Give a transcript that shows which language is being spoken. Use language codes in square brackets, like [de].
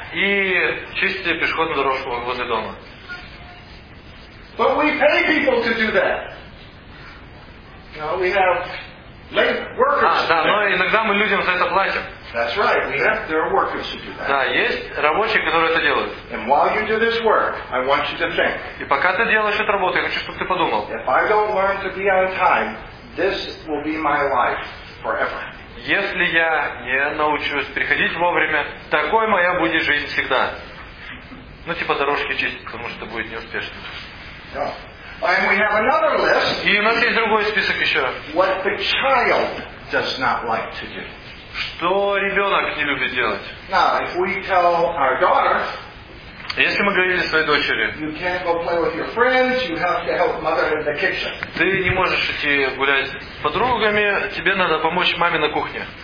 [ru] И чисти пешеходную дорожку возле дома. [en] But we pay people to do that. We have. [ru] Да, но иногда мы людям за это платим. [en] That's right. We have there are workers who do that. [ru] Да, есть рабочие, которые это делают. [en] And while you do this work, I want you to think. [ru] И пока ты делаешь эту работу, я хочу, чтобы ты подумал. [en] If I don't learn to be on time, this will be my life forever. [ru] Если я не научусь приходить вовремя, такой моя будет жизнь всегда. Ну, типа дорожки чистить, потому что будет неуспешно. [en] And we have another list. [ru] И у нас есть другой список еще. [en] What the child does not like to do. [ru] Что ребенок не любит делать. [en] Now, if we tell our daughter, [ru] если мы говорили своей дочери, [en] you can't go play with your friends, you have to help mother in the kitchen. [ru] Ты не можешь идти гулять с подругами, тебе надо помочь маме на кухне.